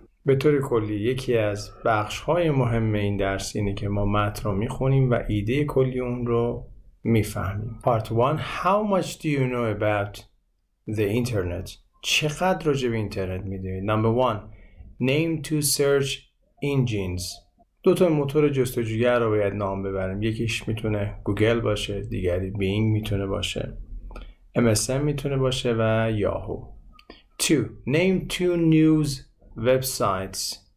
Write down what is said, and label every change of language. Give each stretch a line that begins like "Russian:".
Persian: به طور کلی یکی از بخش‌های مهم این درس اینه که ما متن رو می‌خونیم و ایده کلی اون رو می‌فهمیم.
English: Part 1: How much do you know about the internet?
Persian: چقدر راجع به اینترنت می‌دونید؟
English: Number 1: Name two search engines.
Persian: دو تا موتور جستجوگر رو باید نام ببریم. یکیش می‌تونه گوگل باشه, دیگری بینگ می‌تونه باشه. MSN می‌تونه باشه و یاهو. 2:
English: Name two news websites.